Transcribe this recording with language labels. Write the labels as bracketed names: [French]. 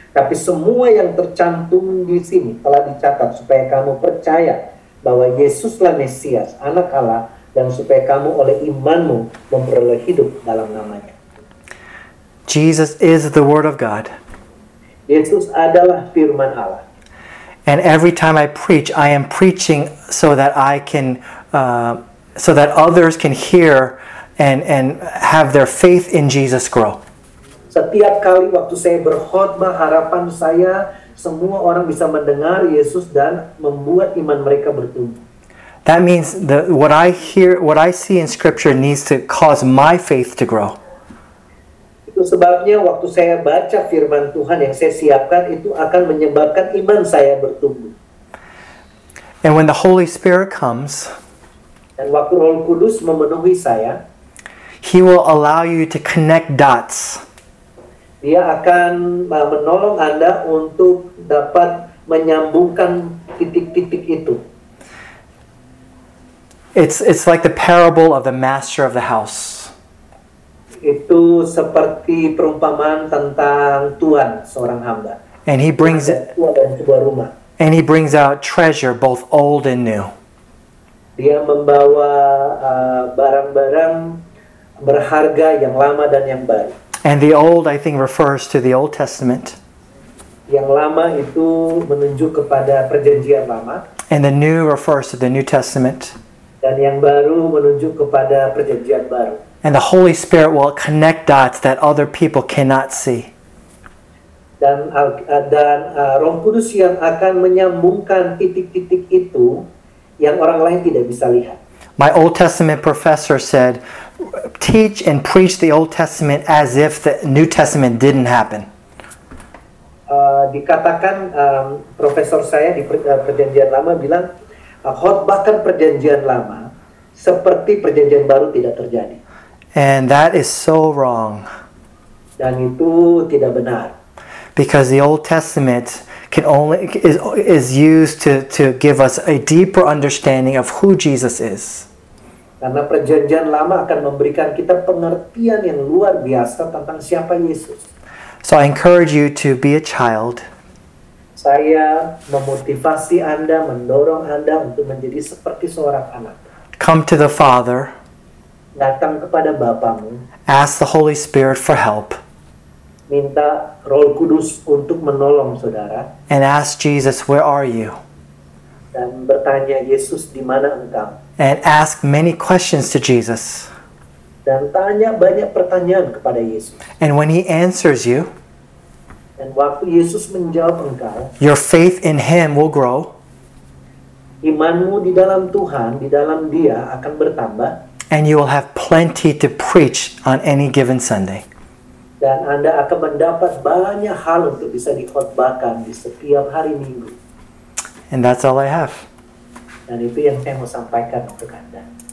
[Indonesian] Tapi semua yang tercantum di sini telah dicatat supaya kamu percaya bahwa Yesuslah Mesias, Anak Allah, dan supaya kamu oleh imanmu memperoleh hidup dalam namanya. [English] Jesus is the Word of God. [Indonesian] Yesus adalah firman Allah. [English] And every time I preach, I am preaching so that I can, so that others can hear and have their faith in Jesus grow. [Indonesian] Setiap kali waktu saya berkhotbah, harapan saya semua orang bisa mendengar Yesus dan membuat iman mereka bertumbuh. [English] That means what I hear, what I see in Scripture needs to cause my faith to grow. [Indonesian] Itu sebabnya waktu saya baca firman Tuhan yang saya siapkan itu akan menyebabkan iman saya bertumbuh. [English] And when the Holy Spirit comes, [Indonesian] dan waktu Roh Kudus memenuhi saya, [English] He will allow you to connect dots. [Indonesian] Dia akan menolong Anda untuk dapat menyambungkan titik-titik itu. [English] It's like the parable of the master of the house. [Indonesian] Itu seperti perumpamaan tentang tuan seorang hamba. [English] And he brings [Indonesian] tuan dan sebuah rumah. [English] And he brings out treasure both old and new. [Indonesian] Dia membawa barang-barang berharga yang lama dan yang baru. [English] And the old, I think, refers to the Old Testament. [Indonesian] Yang lama itu menunjuk kepada perjanjian lama. [English] And the new refers to the New Testament. [Indonesian] Dan yang baru menunjuk kepada perjanjian baru. [English] And the Holy Spirit will connect dots that other people cannot see. [Indonesian] Dan Roh Kudus yang akan menyambungkan titik-titik itu yang orang lain tidak bisa lihat. [English] My Old Testament professor said, "Teach and preach the Old Testament as if the New Testament didn't happen." [Indonesian] Dikatakan profesor saya di Perjanjian Lama bilang, khotbahkan Perjanjian Lama seperti Perjanjian Baru tidak terjadi. [English] And that is so wrong. [Indonesian] Dan itu tidak benar. [English] Because the Old Testament is used to give us a deeper understanding of who Jesus is. [Indonesian] Karena Perjanjian Lama akan memberikan kita pengertian yang luar biasa tentang siapa Yesus. [English] So I encourage you to be a child. [Indonesian] Saya memotivasi Anda, mendorong Anda untuk menjadi seperti seorang anak. [English] Come to the Father. [Indonesian] Datang kepada Bapamu. [English] Ask the Holy Spirit for help. [Indonesian] Minta Roh Kudus untuk menolong saudara. [English] And ask Jesus, "Where are you?" [Indonesian] Dan bertanya Yesus, "Di mana engkau?" [English] And ask many questions to Jesus. [Indonesian] Dan tanya banyak pertanyaan kepada Yesus. [English] And when He answers you, [Indonesian] dan waktu Yesus menjawab engkau, [English] your faith in Him will grow. [Indonesian] Imanmu di dalam Tuhan, di dalam Dia akan bertambah. [English] And you will have plenty to preach on any given Sunday. [Indonesian] Dan Anda akan mendapat banyak hal untuk bisa dikhotbahkan di setiap hari Minggu. [English] And that's all I have. [Indonesian] Dan itu yang saya mau sampaikan untuk Anda.